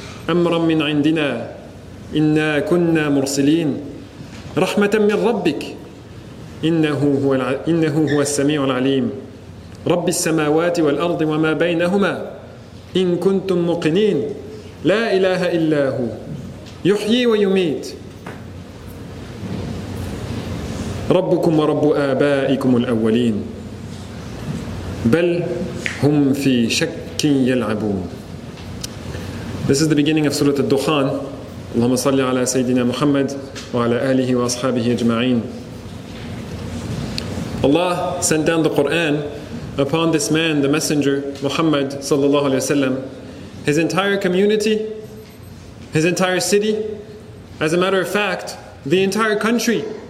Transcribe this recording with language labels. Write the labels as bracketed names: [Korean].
[Arabic] أمرا من عندنا إنا كنا مرسلين رحمة من ربك إنه هو السميع العليم رب السماوات والأرض وما بينهما إن كنتم موقنين لا إله إلا هو يحيي ويميت ربكم ورب آبائكم الأولين بل هم في شك يلعبون. [English] This is the beginning of Surah Al-Dukhan. [Arabic] اللهم صل على سيدنا محمد وعلى آله وأصحابه أجمعين. [English] Allah sent down the Quran upon this man, the messenger, Muhammad sallallahu alayhi wa sallam, his entire community, his entire city, as a matter of fact, the entire country.